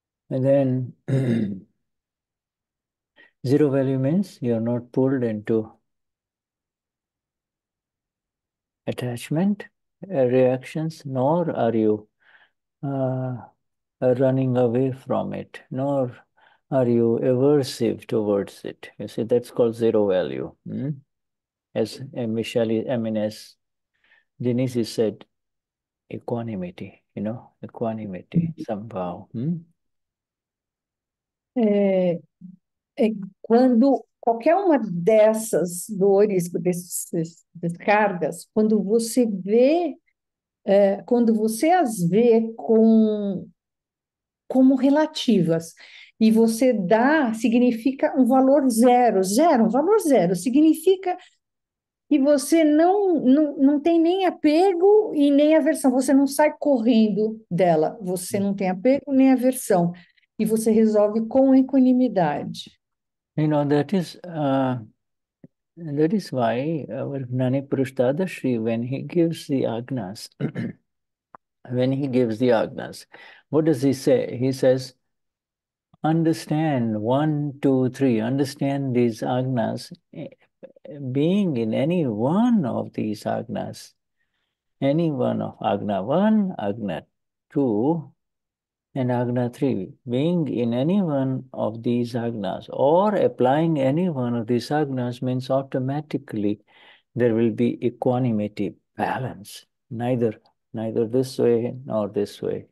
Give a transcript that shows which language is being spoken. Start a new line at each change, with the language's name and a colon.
English: And then zero value means you're not pulled into attachment reactions, nor are you running away from it, nor are you aversive towards it. You see, that's called zero value. Hmm? As as Denise said, equanimity, you know, equanimity, somehow. Hmm?
Portuguese: Quando qualquer uma dessas dores, dessas descargas, quando você vê, quando você as vê como relativas, e você dá, significa um valor zero, zero, um valor zero, significa que você não tem nem apego e nem aversão, você não sai correndo dela, você não tem apego nem aversão, e você resolve com equanimidade.
English: You know, that is why our Gnani Purush Dadashri, when he gives the Agnas, when he gives the Agnas, what does he say? He says, understand one, two, three, understand these Agnas, being in any one of these Agnas, any one of Agna 1, Agna 2, and Agna 3, being in any one of these Agnas or applying any one of these Agnas means automatically there will be equanimity, balance, neither this way nor this way.